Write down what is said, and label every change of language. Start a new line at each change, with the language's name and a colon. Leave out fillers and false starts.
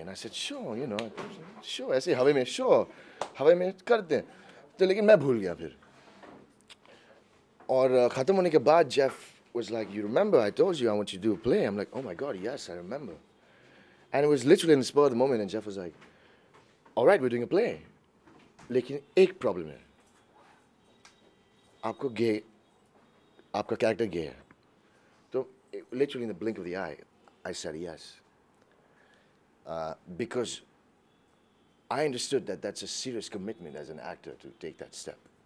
English: And I said, sure, you know, sure. I said, have me, sure, have me, karte. So, but I forgot. And after finishing, Jeff was like, you remember, I told you I want you to do a play. I'm like, oh my God, yes, I remember. And it was literally in the spur of the moment, and Jeff was like, all right, we're doing a play.
Hindi: लेकिन एक problem है। आपको gay, आपका character gay है।
English: So literally in the blink of the eye, I said yes. Because I understood that that's a serious commitment as an actor to take that step.